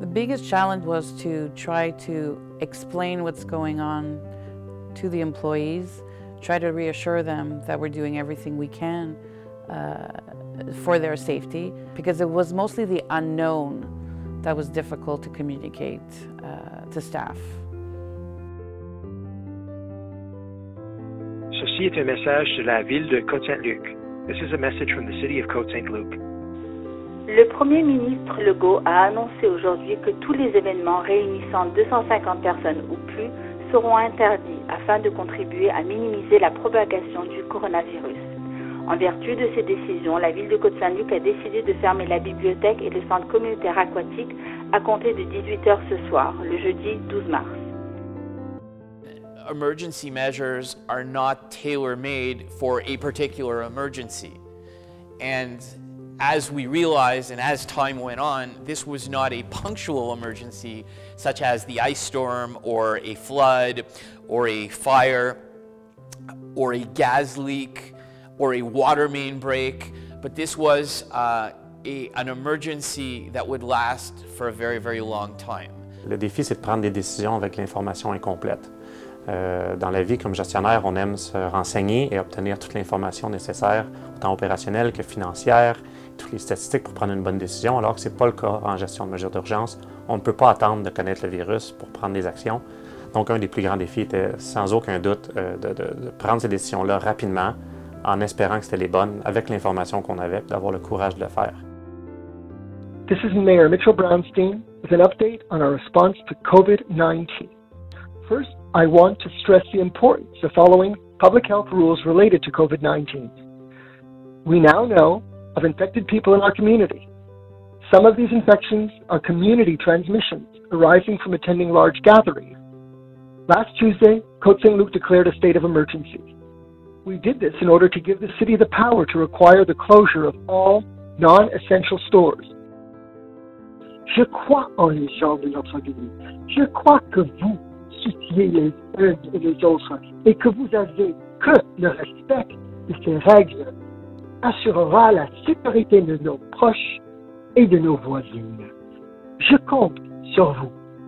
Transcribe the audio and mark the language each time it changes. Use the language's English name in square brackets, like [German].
[English] The biggest challenge was to try to explain what's going on to the employees, try to reassure them that we're doing everything we can for their safety, because it was mostly the unknown that was difficult to communicate to staff. [French] Ceci est un message de la ville de Côte-Saint-Luc. [English] This is a message from the City of Côte-Saint-Luc. [French] Le Premier ministre Legault a annoncé aujourd'hui que tous les événements réunissant 250 personnes ou plus seront interdits afin de contribuer à minimiser la propagation du coronavirus. En vertu de ces décisions, la ville de Côte-Saint-Luc a décidé de fermer la bibliothèque et le centre communautaire aquatique à compter de 18h ce soir, le jeudi 12 mars. [English] Emergency measures are not tailor-made for a particular emergency. And as we realized, and as time went on, this was not a punctual emergency, such as the ice storm, or a flood, or a fire, or a gas leak, or a water main break, but this was an emergency that would last for a very, very long time. [French] Le défi, c'est de prendre des décisions avec l'information incomplète. Dans la vie, comme gestionnaire, on aime se renseigner et obtenir toute l'information nécessaire, autant opérationnelle que financière, toutes les statistiques pour prendre une bonne décision, alors que ce n'est pas le cas en gestion de mesures d'urgence. On ne peut pas attendre de connaître le virus pour prendre des actions. Donc, un des plus grands défis était sans aucun doute de prendre ces décisions-là rapidement, en espérant que c'était les bonnes, avec l'information qu'on avait, d'avoir le courage de le faire. [English] This is Mayor Mitchell Brownstein with an update on our response to COVID-19. First, I want to stress the importance of following public health rules related to COVID-19. We now know of infected people in our community. Some of these infections are community transmissions arising from attending large gatherings. Last Tuesday, Côte Saint-Luc declared a state of emergency. We did this in order to give the city the power to require the closure of all non-essential stores. [French] Je crois en les gens de notre ville. Je crois que vous soutiez les uns et les autres et que vous avez que le respect de ces règles assurera la sécurité de nos proches et de nos voisines. Je compte sur vous.